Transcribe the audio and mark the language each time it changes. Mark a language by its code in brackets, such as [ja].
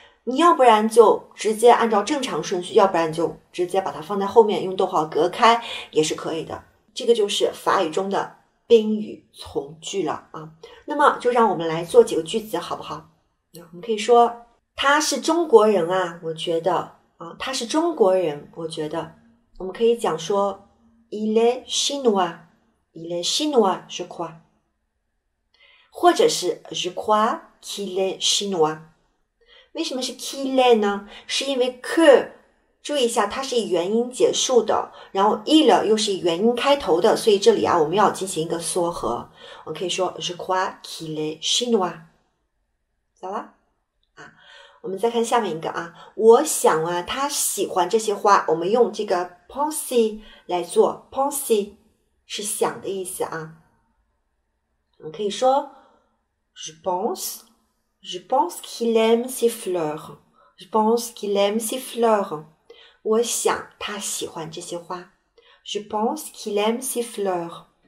[zh] 你要不然就直接按照正常顺序，要不然就直接把它放在后面用逗号隔开也是可以的。这个就是法语中的宾语从句了啊。那么就让我们来做几个句子，好不好？我们可以说他是中国人啊，我觉得啊，他是中国人，我觉得。我们可以讲说， [fr] il est chinois，il est chinois je crois， [zh] 或者是 [fr] je crois qu'il est chinois。 [zh] 为什么是 qu'il est 呢？是因为 que，注意一下，它是以元音结束的，然后 il 又是以元音开头的，所以这里啊，我们要进行一个缩合。我可以说 [fr] je crois qu'il est chinois。 [zh] 好了，啊，我们再看下面一个啊，我想啊，他喜欢这些花，我们用这个 pensée 来做，pensée 是想的意思啊。我们可以说 [fr] je pense qu'il aime ses fleurs，je pense qu'il aime ses fleurs， [zh] 我想他喜欢这些花， [fr] je pense qu'il aime ses fleurs。